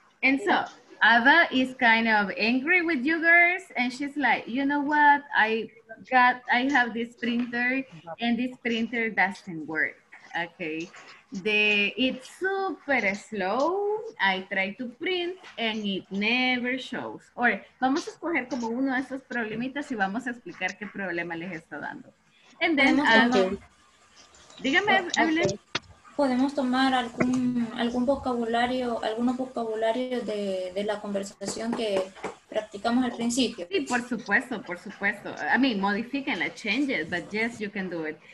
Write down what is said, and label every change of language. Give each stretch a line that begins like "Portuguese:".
English: And so, Ava is kind of angry with you girls, and she's like, you know what? I have this printer, and this printer doesn't work, okay? It's super slow. I try to print and it never shows.
Spanish: Or vamos a escoger como uno de esos problemitas y vamos a explicar qué problema les está dando.
English: And then,
Spanish: dígame, Evelyn. ¿Podemos tomar algunos vocabularios de la conversación que practicamos al principio? Sí, por supuesto.
English: I mean,
Spanish: modifiquen la
English: changes, but yes, you can do it.